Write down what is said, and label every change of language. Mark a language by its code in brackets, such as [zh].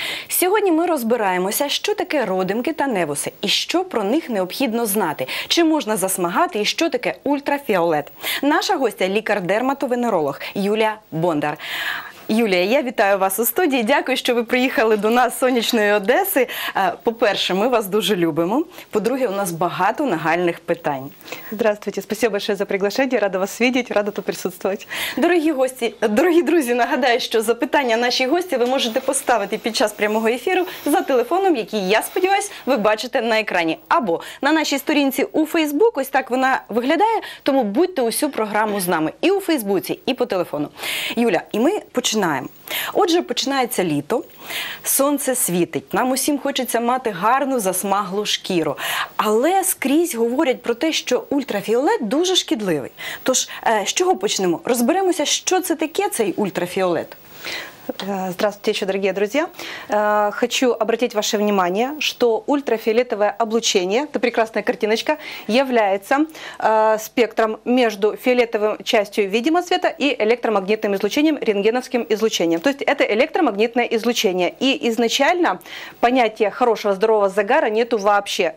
[uk] Сьогодні ми розбираємося, що таке родимки та невуси, і що про них необхідно знати, чи можна засмагати, і що таке ультрафіолет. Наша гостя – лікар-дерматовенеролог Юлія Бондар. Юлія, я вітаю вас у студії, дякую, що ви приїхали до нас з сонячної Одеси. По-перше, ми вас дуже любимо, по-друге, у нас багато нагальних питань. [ru] Здравствуйте, спасибо большое за приглашення, рада вас видеть, рада тут присутствовать. [uk] Дорогі гості, дорогі друзі, нагадаю, що запитання наші гості ви можете поставити під час прямого ефіру за телефоном, який, я сподіваюся, ви бачите на екрані. Або на нашій сторінці у Фейсбук, ось так вона виглядає, тому будьте усю програму з нами і у Фейсбуці, і по телефону. Юля, і ми починаємо. Отже, починається літо, сонце світить, нам усім хочеться мати гарну засмаглу шкіру, але скрізь говорять про те, що ультрафіолет дуже шкідливий. Тож, з чого почнемо? Розберемося, що це таке цей ультрафіолет. [ru] Здравствуйте еще, дорогие друзья. Хочу обратить ваше внимание, что ультрафиолетовое облучение, это прекрасная картиночка, является спектром между фиолетовым частью видимого света и электромагнитным излучением, рентгеновским излучением. То есть это электромагнитное излучение. И изначально понятия хорошего здорового загара нету вообще.